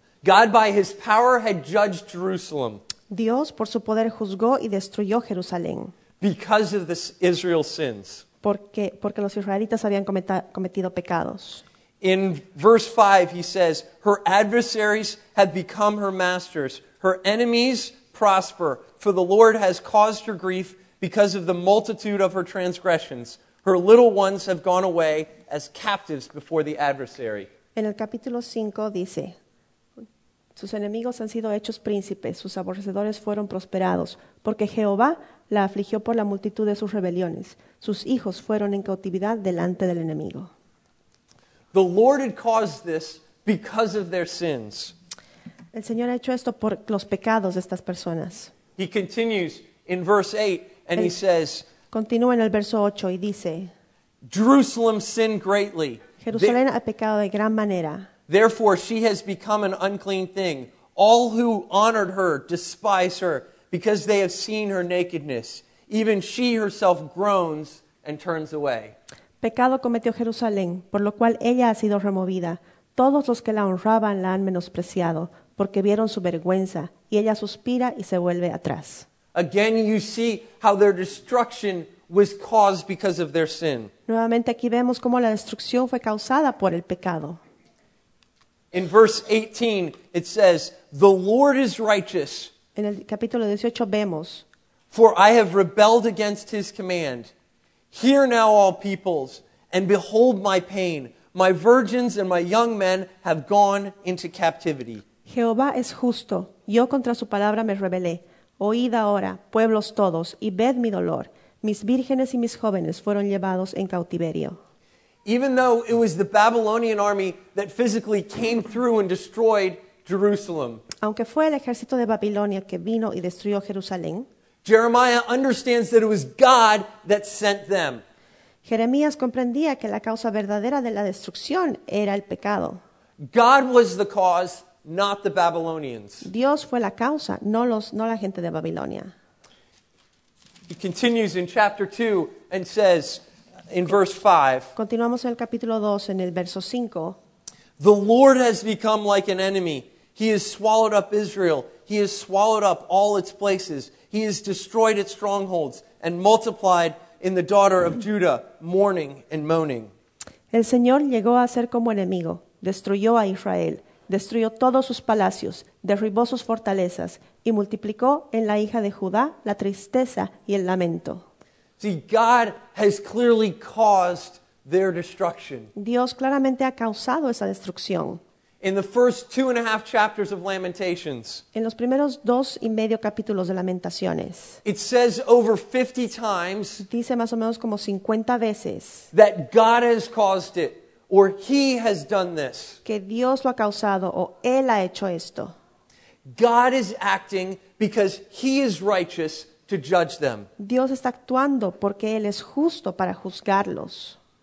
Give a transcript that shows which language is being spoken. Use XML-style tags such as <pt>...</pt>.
<en>God by his power had judged Jerusalem.</en> <es>Dios por su poder juzgó y destruyó Jerusalén.</es> <en>Because of this Israel's sins.</en> <es>Porque los israelitas habían cometido pecados.</es> <en>In verse 5 he says, her adversaries have become her masters, her enemies prosper, for the Lord has caused her grief because of the multitude of her transgressions. Her little ones have gone away as captives before the adversary.</en> <es>En el capítulo 5 dice, Sus enemigos han sido hechos príncipes, sus aborrecedores fueron prosperados, porque Jehová la afligió por la multitud de sus rebeliones. Sus hijos fueron en cautividad delante del enemigo.</es> <en>The Lord had caused this because of their sins.</en> <es>El Señor ha hecho esto por los pecados de estas personas.</es> <en>He continues in verse 8 and he says,</en> <es>continúa en el verso 8 y dice,</es> <en>Jerusalem sinned greatly.</en> <es>Jerusalén ha pecado de gran manera.</es> <en>Therefore she has become an unclean thing. All who honored her despise her because they have seen her nakedness. Even she herself groans and turns away.</en> <es>Pecado cometió Jerusalén, por lo cual ella ha sido removida. Todos los que la honraban la han menospreciado, porque vieron su vergüenza, y ella suspira y se vuelve atrás.</es> <en>Again you see how their destruction was caused because of their sin.</en> <es>Nuevamente aquí vemos cómo la destrucción fue causada por el pecado.</es> <en>In verse 18 it says, "The Lord is righteous."</en> <es>En el capítulo 18 vemos,</es> <en>"For I have rebelled against his command. Hear now all peoples and behold my pain. My virgins and my young men have gone into captivity."</en> <es>Jehová es justo. Yo contra su palabra me rebelé. Oíd ahora, pueblos todos, y ved mi dolor. Mis vírgenes y mis jóvenes fueron llevados en cautiverio.</es> <en>Even though it was the Babylonian army that physically came through and destroyed Jerusalem,</en> <es>aunque fue el ejército de Babilonia que vino y destruyó Jerusalén,</es> <en>Jeremiah understands that it was God that sent them.</en> <es>Jeremías comprendía que la causa verdadera de la destrucción era el pecado.</es> <en>God was the cause, not the Babylonians.</en> <es>Dios fue la causa, no la gente de Babilonia.</es> <en>He continues in chapter 2 and says in verse 5.</en> <es>Continuamos en el capítulo 2 en el verso 5.</es> <en>The Lord has become like an enemy. He has swallowed up Israel. He has swallowed up all its places. He has destroyed its strongholds and multiplied in the daughter of Judah, mourning and moaning.</en> <es>El Señor llegó a ser como enemigo. Destruyó a Israel. Destruyó todos sus palacios. Derribó sus fortalezas. Y multiplicó en la hija de Judá la tristeza y el lamento.</es> <en>See, God has clearly caused their destruction.</en> <es>Dios claramente ha causado esa destrucción.</es> <en>In the first 2.5 chapters of Lamentations.</en> <es>En los primeros 2.5 capítulos de Lamentaciones.</es> <en>It says over 50 times.</en> <es>Dice más o menos como 50 veces.</es> <en>That God has caused it, or he has done this.</en> <es>Que Dios lo ha causado, o él ha hecho esto.</es> <en>God is acting because he is righteous to judge them.</en> <es>Dios está actuando porque él es justo para juzgarlos.</es>